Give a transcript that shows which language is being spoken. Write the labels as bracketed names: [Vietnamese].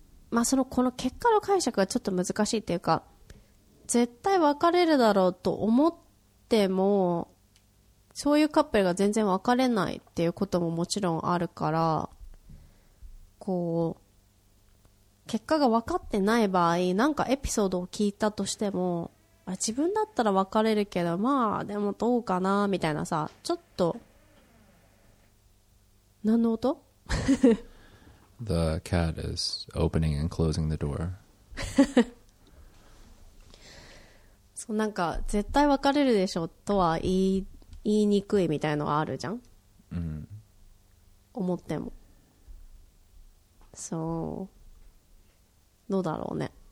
[Japanese] まあそのこの結果の解釈がちょっと難しいっていうか、絶対別れるだろうと思ってもそういうカップルが全然別れないっていうことももちろんあるから、こう結果が分かってない場合、なんかエピソードを聞いたとしても、あ、自分だったら別れるけど、まあ、でもどうかな、みたいなさ、ちょっと、何の音 [English] ?The cat is opening and closing the door. [Japanese] そう、なんか、絶対別れるでしょとは言いにくいみたいなのがあるじゃん、うん、思っても。そう。どうだろうね、